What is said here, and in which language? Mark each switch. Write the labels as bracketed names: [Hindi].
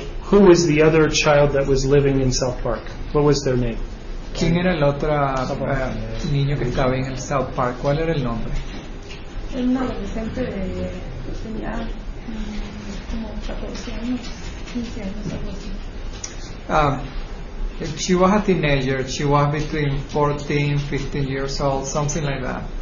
[English] Who was the other child that was living in South Park? What was their name? [Spanish] ¿Quién era el otro niño que estaba en el South Park? ¿Cuál era el nombre? Un adolescente de tenía como 14 años, 15 años, algo así. [English] She was a teenager. She was between 14, 15 years old, something like that.